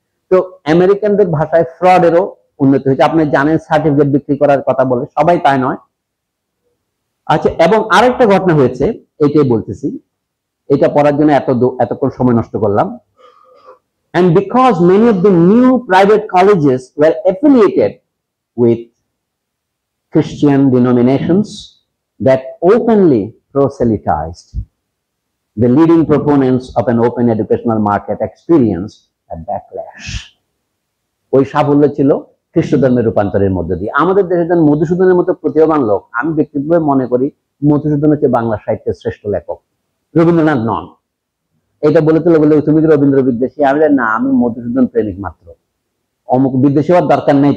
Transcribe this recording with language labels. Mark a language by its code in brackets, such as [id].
[bn] তো আমেরিকানদের ভাষায় ফ্রডেরও উন্নতি হয়েছে, আপনি জানেন সার্টিফিকেট বিক্রি করার কথা বলে, সবাই তাই নয়। আচ্ছা এবং আরেকটা ঘটনা হয়েছে, এটাই বলতেছি, এটা পড়ার জন্য এত এতক্ষণ সময় নষ্ট করলাম। [en] And because many of the new private colleges were affiliated with Christian denominations that openly proselytized, the leading proponents of an open educational market experienced a backlash. [bn] ওই সাফল্য ছিল খ্রিস্ট ধর্মের রূপান্তরের মধ্যে দিয়ে। আমাদের দেশে যেমন মধুসূদনের মতো প্রতিভাবান লোক, আমি ব্যক্তিগতভাবে মনে করি মধুসূদন হচ্ছে বাংলা সাহিত্যের শ্রেষ্ঠ লেখক, রবীন্দ্রনাথ নন। এটা বলে তো বলে তুমি রবীন্দ্র বিদ্বেষী, আমি না, আমি মধুসূদন প্রেমিক মাত্র, অমুক বিদ্বেষী হওয়ার দরকার নেই।